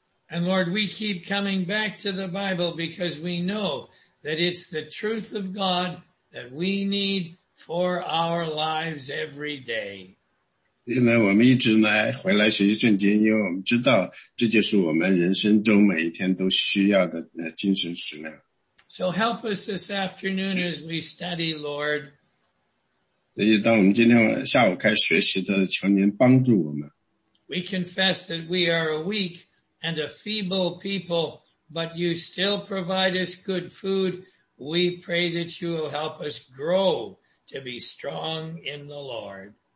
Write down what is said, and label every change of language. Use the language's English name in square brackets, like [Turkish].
[English] And Lord, we keep coming back to the Bible because we know that it's the truth of God that we need for our lives every day. [Chinese] 现在我们一直来回来学习圣经，因为我们知道这就是我们人生中每一天都需要的精神食粮。 [English] So help us this afternoon as we study, Lord. [Chinese] 所以当我们今天下午开始学习的，求您帮助我们。 [English] We confess that we are a weak and a feeble people, but you still provide us good food. We pray that you will help us grow to be strong in the Lord.